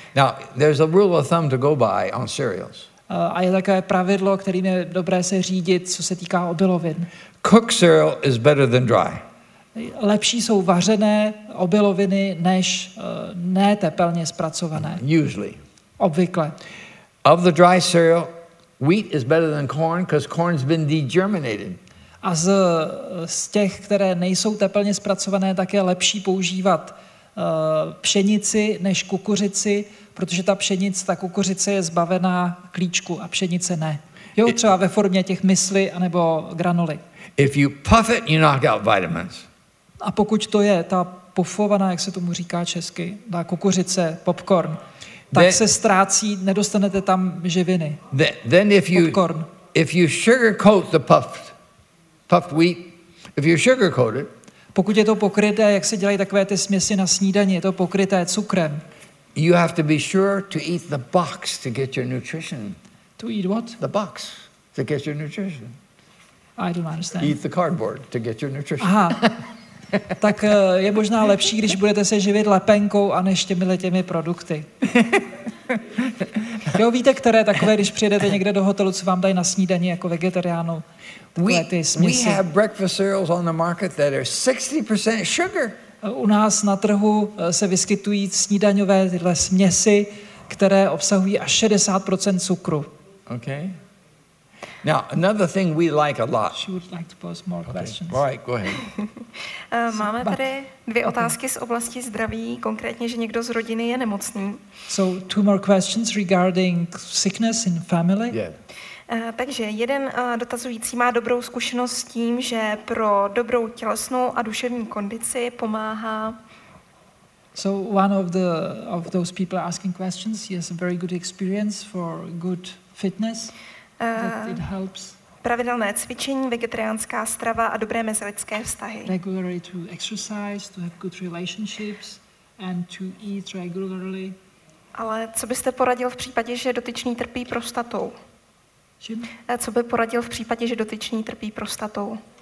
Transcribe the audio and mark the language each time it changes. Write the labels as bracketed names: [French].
[English] Now, there's a rule of thumb to go by on cereals. [Czech] A je takové pravidlo, kterým je dobré se řídit, co se týká obilovin. [English] Cooked cereal is better than dry. [Czech] Lepší jsou vařené obiloviny než ne tepelně zpracované. [English] Usually. [Czech] Obvykle. [English] Of the dry cereal, wheat is better than corn because corn's been degerminated. [Czech] A z těch, které nejsou tepelně zpracované, tak je lepší používat pšenici než kukuřici, protože ta kukuřice je zbavená klíčku a pšenice ne. Jo, třeba ve formě těch mysli anebo granoly. [English] If you puff it, you knock out vitamins. [Czech] A pokud to je ta pufovaná, jak se tomu říká česky, ta kukuřice, popcorn, tak se ztrácí, nedostanete tam živiny. [English] Then if you sugarcoat the puffed wheat, if you sugarcoat it, [Czech] pokud je to pokryté, jak se dělají takové ty směsi na snídani, je to pokryté cukrem. [English] You have to be sure to eat the box to get your nutrition. To eat what? The box to get your nutrition. I don't understand. Eat the cardboard to get your nutrition. [Czech] Aha. Tak je možná lepší, když budete se živit lepenkou a než těmi produkty. Jo, víte, které takové, když přijedete někde do hotelu, co vám dají na snídani jako vegetariánu, takové ty směsi. [English] We have breakfast cereals on the market that are 60% sugar. [Czech] U nás na trhu se vyskytují snídaňové tyhle směsi, které obsahují až 60% cukru. [English] Okay. Now, another thing we like a lot. She would like to pose more questions. All right, go ahead. [Czech] Máme tady dvě otázky z oblasti zdraví, konkrétně, že někdo z rodiny je nemocný. [English] So, 2 more questions regarding sickness in family. Yeah. [Czech] Takže jeden dotazující má dobrou zkušenost s tím, že pro dobrou tělesnou a duševní kondici pomáhá. [English] So one of the of those people asking questions, he has a very good experience for good fitness. That it helps. [Czech] Pravidelné cvičení, vegetariánská strava a dobré mezilidské vztahy. [English] Regularly to exercise, to have good relationships and to eat regularly. [Czech] Ale co byste poradil v případě, že dotyčný trpí prostatou? Co by poradil v případě, že dotyčný trpí prostatou?